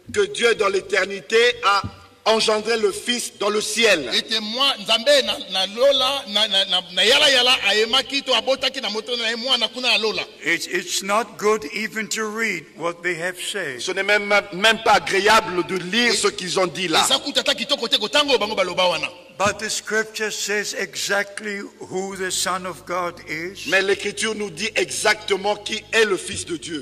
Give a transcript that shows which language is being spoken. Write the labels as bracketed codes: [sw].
[fr] Que Dieu dans l'éternité a engendré le Fils dans le ciel. [en] It's not good even to read what they have said. [fr] Ce n'est même pas agréable de lire ce qu'ils ont dit là. [en] But the scripture says exactly who the Son of God is. [fr] Mais l'écriture nous dit exactement qui est le Fils de Dieu.